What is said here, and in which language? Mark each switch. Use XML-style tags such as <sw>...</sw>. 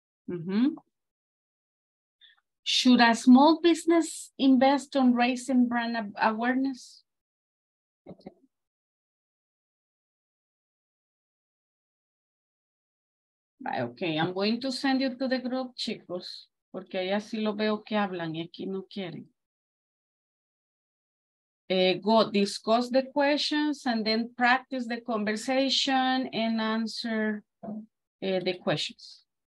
<en>Mm-hmm. Should a small business invest on raising brand awareness? Okay. Bye, okay, I'm going to send you to the group, chicos.</en> <es>Porque allá sí lo veo que hablan y aquí no quieren.</es> <en>Go discuss the questions and then practice the conversation and answer the questions.</en>